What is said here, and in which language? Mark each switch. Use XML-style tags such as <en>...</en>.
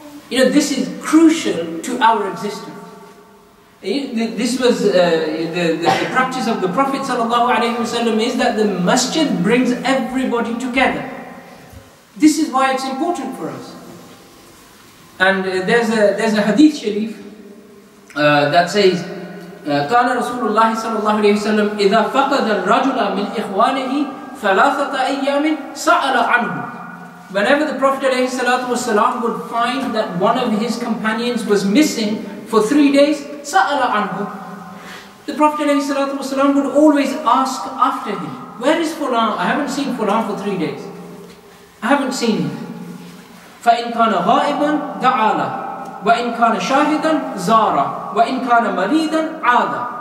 <en>You know, this is crucial to our existence. This was the practice of the Prophet ﷺ, is that the masjid brings everybody together. This is why it's important for us. And there's a hadith sharif that says,</en> <ar>كان رسول الله صلى الله عليه وسلم إذا فقد الرجل من إخوانه ثلاثة أيام سأل عنه.</ar> <en>Whenever the Prophet ﷺ would find that one of his companions was missing for 3 days,</en> <ar>Sa'ala anhu.</ar> <en>The Prophet ﷺ would always ask after him, where is Fulan? I haven't seen Fulan for 3 days. I haven't seen him.</en> <ar>فَإِنْ كَانَ غَائِبًا دَعَالَ وَإِنْ كَانَ شَاهِدًا زَارَ وَإِنْ كَانَ مَرِيدًا عَادَ.</ar>